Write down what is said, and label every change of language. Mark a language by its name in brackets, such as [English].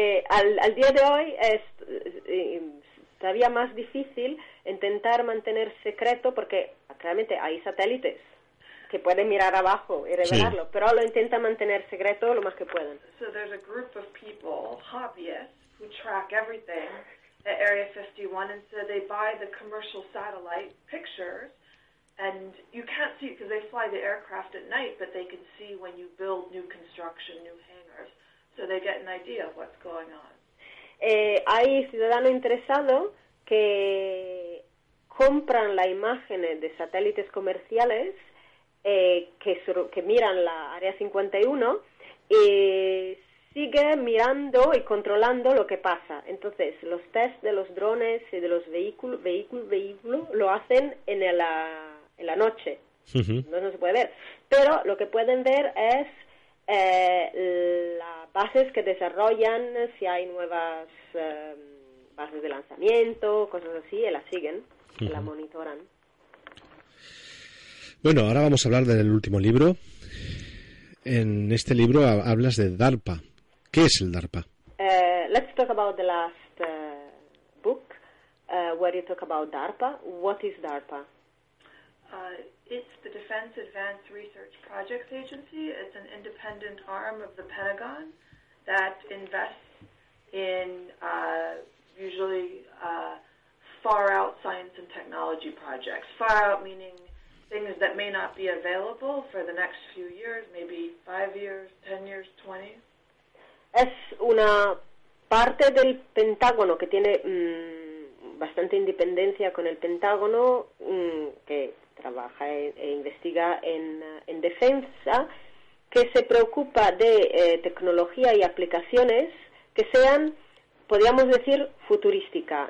[Spanish] al día de hoy es todavía más difícil intentar mantener secreto porque claramente hay satélites que pueden mirar abajo y revelarlo, sí. Pero lo intentan mantener secreto lo más que puedan. [English] So there's a group of people, hobbyists, who track everything at Area 51, and so they buy the commercial satellite pictures. And you can't see it because they fly the aircraft at night, but they can see when you build new construction, new hangars. So they get an idea of what's going on. [Spanish] Hay ciudadano interesado que compran la imagen de satélites comerciales que miran la Área 51 y sigue mirando y controlando lo que pasa. Entonces, los tests de los drones y de los vehículos, lo hacen en la noche, uh-huh. No se puede ver, pero lo que pueden ver es las bases que desarrollan, si hay nuevas bases de lanzamiento, cosas así, y las siguen, uh-huh. La monitoran. Bueno, ahora vamos a hablar del último libro. En este libro hablas de DARPA. ¿Qué es el DARPA? [English] Let's talk about the last book, where you talk about DARPA. What is DARPA? It's the Defense Advanced Research Projects Agency. It's an independent arm of the Pentagon that invests in usually far-out science and technology projects. Far-out meaning things that may not be available for the next few years, maybe 5 years, 10 years, 20. [Spanish] Es una parte del Pentágono que tiene bastante independencia con el Pentágono, que trabaja e investiga en defensa, que se preocupa de tecnología y aplicaciones que sean, podríamos decir, futurística.